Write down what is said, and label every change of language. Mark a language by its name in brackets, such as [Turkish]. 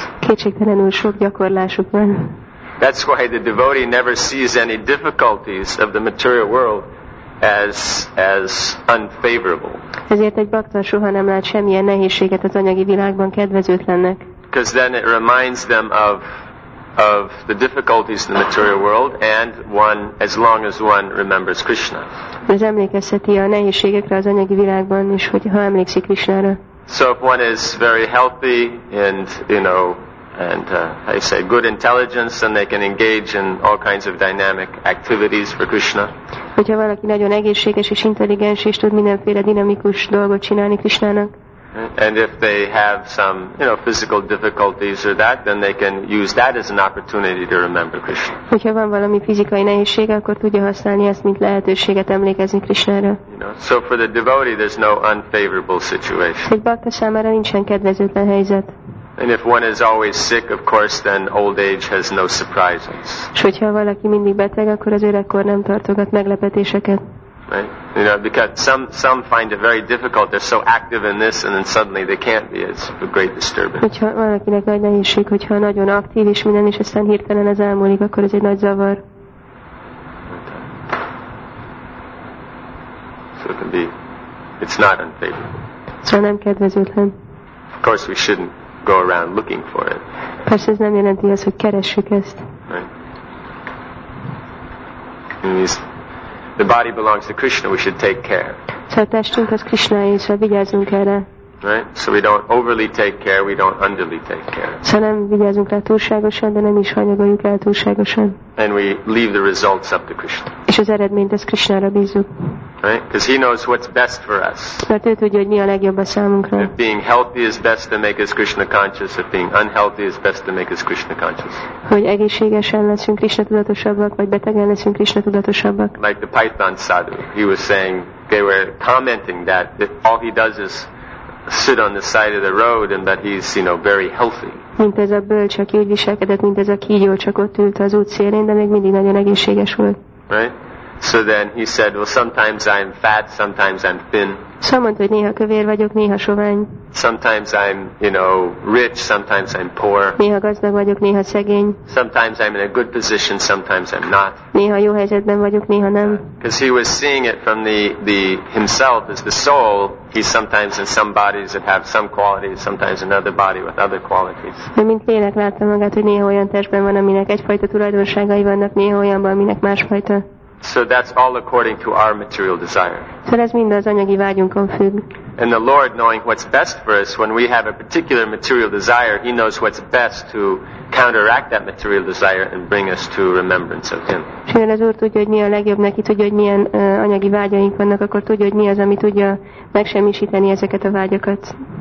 [Hungarian] Kétségtelenül sok gyakorlásuk van. [English] That's why the devotee never sees any difficulties of the material world as unfavorable. [Hungarian] Ezért egy bakta soha nem lát semmilyen nehézséget az anyagi világban kedvezőtlennek. [English] Because then it reminds them of the difficulties in the material world, and one, as long as one remembers Krishna. [Hungarian] Ez emlékezteti a nehézségekre az anyagi világban, és hogy ha emlékszik Krishnára. [English] So if one is very healthy and, you know, and I say good intelligence, and they can engage in all kinds of dynamic activities for Krishna. [Hungarian] Hogyha valaki nagyon egészséges és intelligens, és tud mindenféle dinamikus dolgot csinálni Krishnának. [English] And if they have some, you know, physical difficulties or that, then they can use that as an opportunity to remember Krishna. [Hungarian] Hogyha van valami fizikai nehézség, akkor tudja használni ezt, mint lehetőséget emlékezni Krishnára. [English] You know, so for the devotee, there's no unfavorable situation. [Hungarian] Egy bhakta számára nincsen kedvezőtlen helyzet. [English] And if one is always sick, of course, then old age has no surprises. [Hungarian] És hogyha valaki mindig beteg, akkor az öregkor nem tartogat meglepetéseket. [English] Right? You know, because some find it very difficult. They're so active in this, and then suddenly they can't be. It's a great disturbance. [Hungarian] Hogyha valakinek nagy nehézség, hogyha nagyon aktív és minden is, aztán hirtelen ez elmúlik, akkor ez egy nagy zavar. [English] So it can be. It's not unfavorable. [Hungarian] Szóval nem kedvezőtlen. [English] Of course, we shouldn't go around looking for it. [Hungarian] Persze ez nem jelenti azt, hogy keressük ezt. [English] Right. The body belongs to Krishna. We should take care. [Hungarian] Szóval a testünk az Krishnáé, szóval vigyázzunk erre. [English] Right? So we don't overly take care. We don't underly take care. [Hungarian] Szóval nem vigyázzunk rá túlságosan, de nem is hanyagoljuk el túlságosan. [English] And we leave the results up to Krishna. [Hungarian] És az eredményt az Krishnára bízunk. [English] Right? Because he knows what's best for us. [Hungarian] Mert ő tudja, hogy mi a legjobb a számunkra. [English] If being healthy is best to make us Krishna conscious, if being unhealthy is best to make us Krishna conscious. [Hungarian] Hogy egészségesen leszünk Krishna tudatosabbak, vagy betegen leszünk Krishna tudatosabbak. [English] Like the Python sadhu, he was saying, they were commenting that if all he does is sit on the side of the road, and that he's, you know, very healthy. [Hungarian] Mint ez a bölcs, aki úgy viselkedett, mint ez a kígyó, csak ott ült az útszélén, de még mindig nagyon egészséges volt. [English] Right? So then he said, well, sometimes I'm fat, sometimes I'm thin. [Hungarian] Szóval, hogy néha kövér vagyok, néha sovány. [English] Sometimes I'm, you know, rich, sometimes I'm poor. [Hungarian] Néha gazdag vagyok, néha szegény. [English] Sometimes I'm in a good position, sometimes I'm not. [Hungarian] Néha jó helyzetben vagyok, néha nem. [English] Because he was seeing it from the himself as the soul. He's sometimes in some bodies that have some qualities, sometimes another body with other qualities. [Hungarian] De mint lélek látta magát, hogy néha olyan testben van, aminek egyfajta tulajdonságai vannak, néha olyanban, aminek másfajta. [English] So that's all according to our material desire. [Hungarian] So ez mind az anyagi vágyunkon függ. [English] And the Lord, knowing what's best for us, when we have a particular material desire, he knows what's best to counteract that material desire and bring us to remembrance of him. [Hungarian] És mivel az Úr tudja, hogy mi a legjobb neki, tudja, hogy milyen anyagi vágyaink vannak, akkor tudja, hogy mi az, ami tudja megsemmisíteni ezeket a vágyakat.